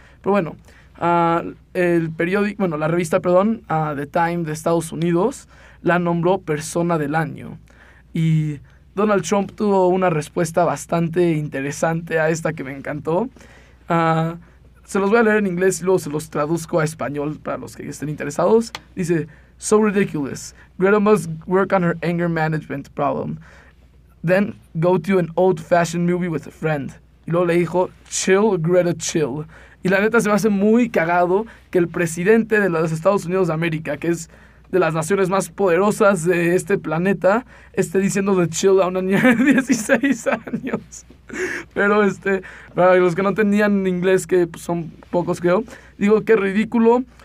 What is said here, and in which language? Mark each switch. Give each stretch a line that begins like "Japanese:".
Spanish: Pero bueno, la revista The Time de Estados Unidos la nombró Persona del Año. Y Donald Trump tuvo una respuesta bastante interesante a esta que me encantó. Se los voy a leer en inglés y luego se los traduzco a español para los que estén interesados. Dice,
English: "So ridiculous. Greta must work on her anger management problem. Then go to an old-fashioned movie with a friend."
Spanish: Y luego le dijo,
English: "Chill, Greta, chill."
Spanish: Y la neta se me hace muy cagado que el presidente de los Estados Unidos de América, que es de las naciones más poderosas de este planeta, esté diciendo de chill a una niña de 16 años. Pero para los que no entendían inglés, que son pocos creo, digo, qué ridículo.